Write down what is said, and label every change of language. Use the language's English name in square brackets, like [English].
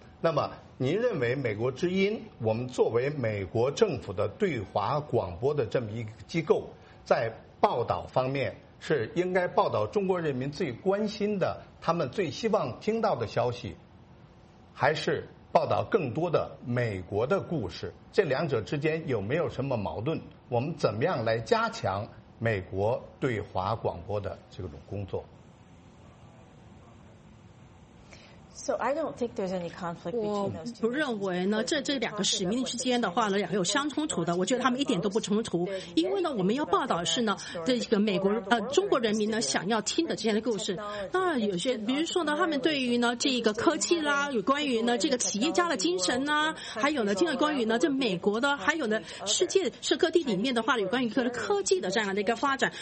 [Chinese] 那么您认为美国之音，我们作为美国政府的对华广播的这么一个机构，在报道方面是应该报道中国人民最关心的、他们最希望听到的消息，还是报道更多的美国的故事？这两者之间有没有什么矛盾？我们怎么样来加强美国对华广播的这种工作？ [English] So I don't think there's any conflict between those two. [Chinese] 我不认为呢，这两个使命之间的话呢，两个有相冲突的。我觉得他们一点都不冲突，因为呢，我们要报道的是呢，这个美国中国人民呢想要听的这样的故事。那有些，比如说呢，他们对于呢这个科技啦，有关于呢这个企业家的精神呢，还有呢，另外关于呢这美国的，还有呢世界是各地里面的话，有关于科技的这样的一个发展。